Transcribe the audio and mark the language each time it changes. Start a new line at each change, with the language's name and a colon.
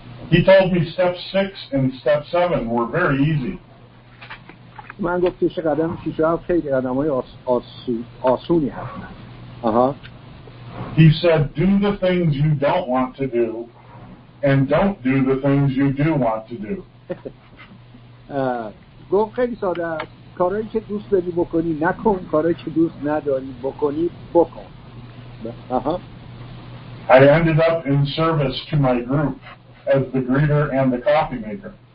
English: He told me step 6 and step 7 were very easy.
Persian: من گفتم چه قدم 6 و 7 خیلی قدم‌های آسونی هستن.
English: He said do the things you don't want to do and don't do the things you do want to do.
Persian: گفت خیلی ساده است، کارایی که دوست داری بکنی نکن، کارایی که دوست نداری بکنی بکن.
English: I ended up in service to my group as the greeter and the coffee maker.